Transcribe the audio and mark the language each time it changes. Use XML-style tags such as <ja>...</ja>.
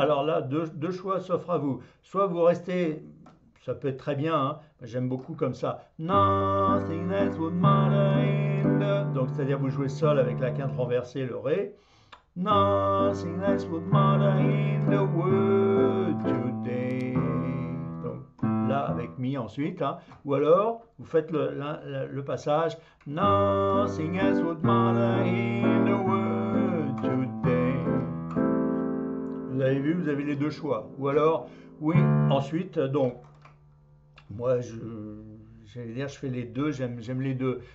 <fr>Alors là, deux choix s'offrent à vous. Soit vous restez, ça peut être très bien, hein, j'aime beaucoup comme ça.</fr> <en>Nothing that would matter in the...</en> <fr>Donc c'est-à-dire vous jouez sol avec la quinte renversée, le Ré.</fr> <en>Nothing else would matter in the world today.</en> <fr>Donc là avec Mi ensuite, hein. Ou alors vous faites le passage.</fr> <en>Nothing else would matter in the world today.</en> <fr>Vous avez vu, vous avez les deux choix. Ou alors, oui, ensuite, donc, moi j'allais dire, je fais les deux, j'aime les deux.</fr>